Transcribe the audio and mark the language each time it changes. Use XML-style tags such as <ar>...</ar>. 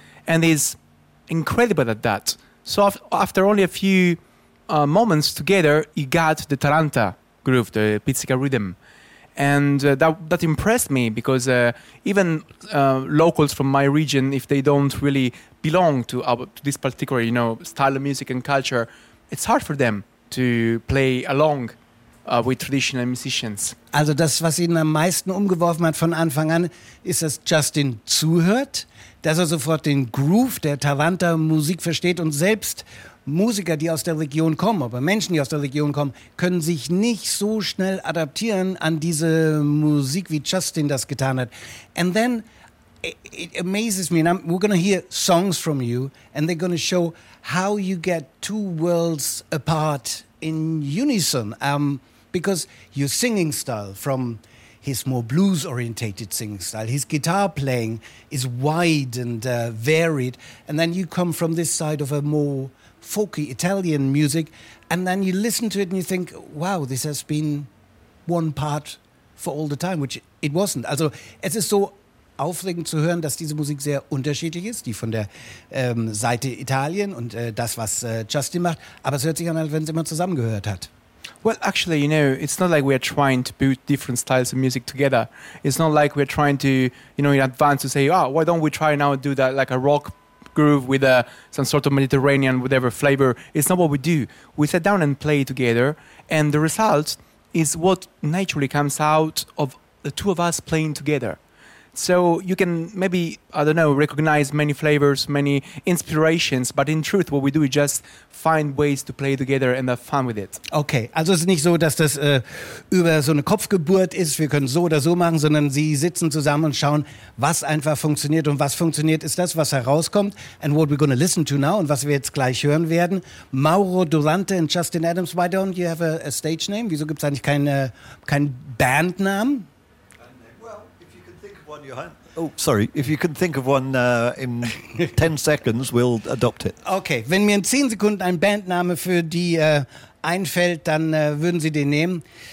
<en>And he's incredible at that. So after only a few moments together, he got the Taranta groove, the pizzica rhythm. And that impressed me because even locals from my region, if they don't really belong to this particular, you know, style of music and culture, it's hard for them to play along with traditional musicians.</en> <de>Also das, was ihn am meisten umgeworfen hat von Anfang an, ist, dass Justin zuhört, dass sofort den Groove der Taranta-Musik versteht und selbst Musiker, die aus der Region kommen, aber Menschen, die aus der Region kommen, können sich nicht so schnell adaptieren an diese Musik, wie Justin das getan hat.</de> <en>And then it amazes me, and we're going to hear songs from you, and they're going to show how you get two worlds apart in unison. Because your singing style, from his more blues-orientated singing style, his guitar playing is wide and varied, and then you come from this side of a more folky Italian music, and then you listen to it and you think, wow, this has been one part for all the time, which it wasn't.</en> <de>Also, es ist so aufregend zu hören, dass diese Musik sehr unterschiedlich ist, die von der Seite Italien und das, was Justin macht. Aber es hört sich an, als wenn es immer zusammengehört hat.</de> <en>Well, actually, you know, it's not like we are trying to put different styles of music together. It's not like we are trying to, you know, in advance to say, oh, why don't we try now do that like a rock groove with some sort of Mediterranean whatever flavor. It's not what we do. We sit down and play together, and the result is what naturally comes out of the two of us playing together. So you can maybe, I don't know, recognize many flavors, many inspirations, but in truth, what we do is just find ways to play together and have fun with it.</en> <de>Okay, also es ist nicht so, dass das über so eine Kopfgeburt ist, wir können so oder so machen, sondern sie sitzen zusammen und schauen, was einfach funktioniert und was funktioniert, ist das, was herauskommt.</de> <en>And what we're going to listen to now</en> <de>und was wir jetzt gleich hören werden,</de> <en>Mauro Durante and Justin Adams, why don't you have a stage name?</en> <de>Wieso gibt es eigentlich keinen Bandnamen?</de> <en>Well, if you can think of one, Johan. Oh, sorry. If you can think of one in 10 seconds, we'll adopt it.</en> <de>Okay, wenn mir in 10 Sekunden ein Bandname für die einfällt, dann würden Sie den nehmen.</de>